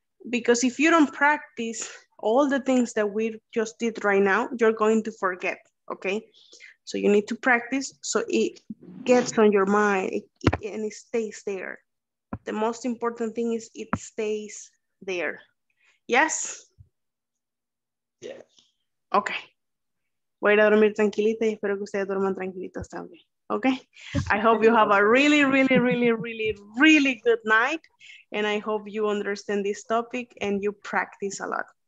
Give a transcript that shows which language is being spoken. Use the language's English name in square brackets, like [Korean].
[English] Because if you don't practice all the things that we just did right now, you're going to forget. Okay, so you need to practice so it gets on your mind and it stays there. The most important thing is it stays there. Yes? Yes. Okay. [Spanish] Voy a dormir tranquilita y espero que ustedes duerman tranquilitos también. [English] Okay? I hope you have a really, really, really, really, really good night. And I hope you understand this topic and you practice a lot.